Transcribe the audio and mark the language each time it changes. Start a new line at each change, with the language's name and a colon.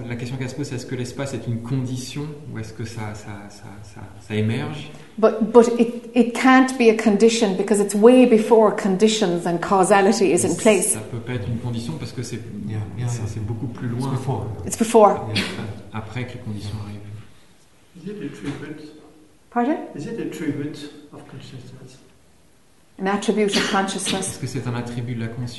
French: La question qu'elle se pose, est-ce que l'espace est une condition ou est-ce que ça émerge?
English: But it can't be a condition because it's way before conditions and causality is in place.
French: Ça peut pas être une condition parce que c'est c'est beaucoup plus loin.
English: It's before. It's before.
French: Après que les conditions arrivent.
English: Is it a tribute?
French: Pardon?
English: Is it a tribute of consciousness? An attribute of consciousness.
French: Est-ce que c'est un attribut de la conscience?